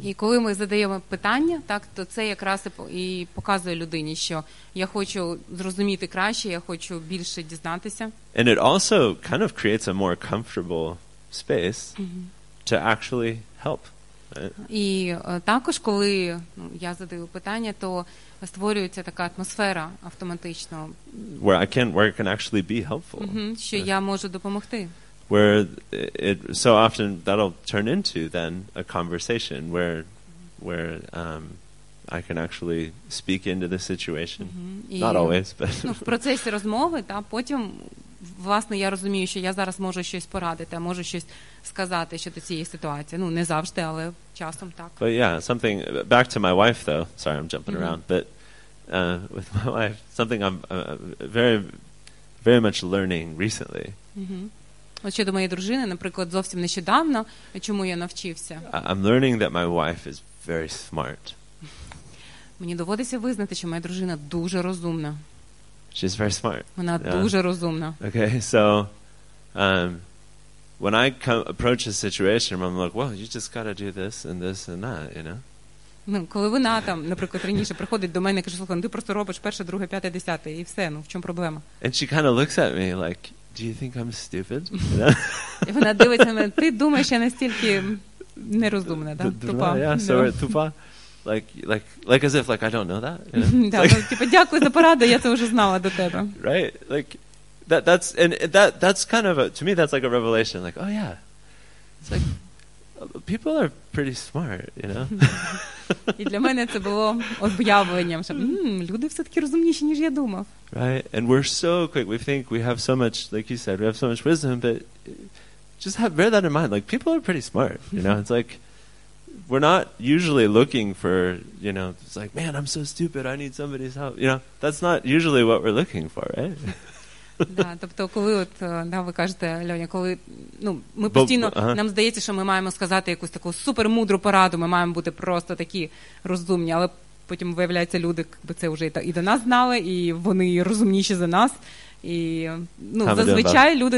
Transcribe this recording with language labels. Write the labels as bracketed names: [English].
[Ukrainian] І коли ми задаємо питання, так, то це якраз і показує людині, що я хочу зрозуміти краще, я хочу більше дізнатися. [English] And it also kind of creates a more comfortable space to actually help. [Ukrainian] І також коли я задаю питання, то створюється така атмосфера автоматично, [English] where I can actually be helpful. [Ukrainian] Що я можу допомогти. [English] Where it so often that'll turn into then a conversation where I can actually speak into the situation. Not always, but [Ukrainian] в процесі розмови, та потім власне я розумію, що я зараз можу щось порадити, можу щось сказати щодо цієї ситуації. Ну, не завжди, але часом так. [English] But yeah, something back to my wife though. Sorry, I'm jumping around, but with my wife, something I'm very very much learning recently. [Ukrainian] От щодо моєї дружини, наприклад, зовсім нещодавно, чому я навчився. [English] I'm learning that my wife is very smart. [Ukrainian] Мені доводиться визнати, що моя дружина дуже розумна. [English] She's very smart. [Ukrainian] Вона дуже розумна. [English] Okay, so when I come approach a situation, I'm like, well, you just got to do this and this and that, you know? [Ukrainian] Ну, коли вона там, наприклад, раніше приходить до мене і каже: "Слухай, ну ти просто робиш перше, друге, п'яте, десяте і все, ну в чому проблема?" [English] And she kind of looks at me like, "Do you think I'm stupid?" [Ukrainian] І вона дивиться на мене: "Ти думаєш, я настільки нерозумна, да? Тупа?" [English] Yeah, so тупа. Like as if like I don't know that. [Ukrainian] Типа, дякую за пораду, я це вже знала до тебе. [English] Right? Like that's kind of to me that's like a revelation, like, "Oh yeah." It's like people are pretty smart, you know? [Ukrainian] І для мене це було об'явленням, що люди все-таки розумніші, ніж я думав. [English] Right? And we're so quick. We think we have so much, like you said, we have so much wisdom, but just have bear that in mind. Like, people are pretty smart, you know? It's like, we're not usually looking for, you know, it's like, man, I'm so stupid, I need somebody's help. You know, that's not usually what we're looking for, right? [Ukrainian] Да, тобто, коли от, да, ви кажете, Льоня, коли, ну, ми постійно, нам здається, що ми маємо сказати якусь таку супермудру пораду, ми маємо бути просто такі розумні, але потім виявляється, люди якби це вже і до нас знали, і вони розумніші за нас, і, ну, how зазвичай люди